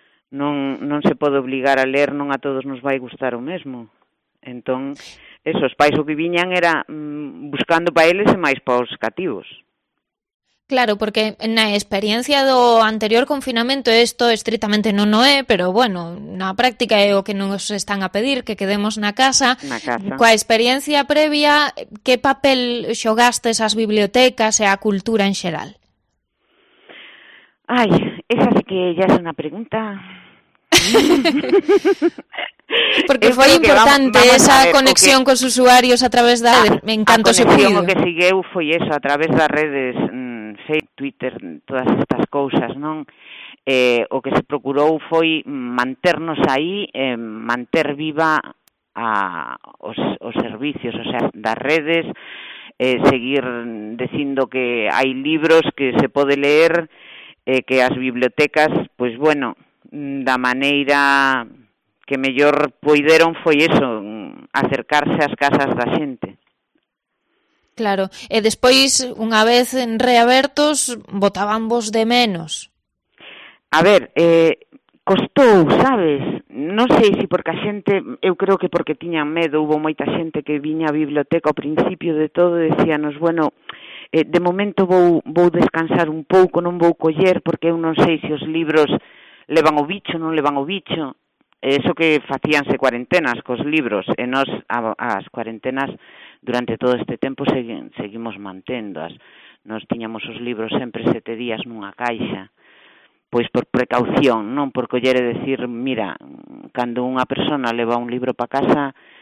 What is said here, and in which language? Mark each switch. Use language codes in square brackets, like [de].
[gl] Non se pode obligar a ler, non a todos nos vai gustar o mesmo. Entón, esos pais o que viñan era buscando pa eles e máis paus cativos. Claro, porque na experiencia do anterior confinamento, isto estritamente non o é, pero bueno, na práctica é o que nos están a pedir, que quedemos na casa. Coa experiencia previa, que papel xogastes as bibliotecas e a cultura en xeral? [es] Ai, esa sí que ya es una pregunta. [gl] Porque foi importante vamos esa conexión cos usuarios a través da... [es] Me encantó ese vídeo. [gl] A conexión que sigueu foi eso, a través das redes, Facebook, Twitter, todas estas cousas, non? O que se procurou foi manternos aí, manter viva os servicios, o sea, das redes, seguir dicindo que hai libros que se pode leer... que as bibliotecas, pois bueno, da maneira que mellor puideron foi eso, acercarse ás casas da xente. Claro, e despois, unha vez en reabertos, botaban vos de menos. A ver, costou, sabes? Non sei se porque a xente, eu creo que porque tiñan medo, houve moita xente que viña á biblioteca ao principio de todo e decíanos, bueno... de momento vou descansar un pouco, non vou coller, porque eu non sei se os libros levan o bicho, non levan o bicho. Eso que facíanse cuarentenas cos libros, e nos as cuarentenas durante todo este tempo seguimos manténdoas. Nos tiñamos os libros sempre 7 días nunha caixa, pois por precaución, non por coller e decir, mira, cando unha persona leva un libro pa casa...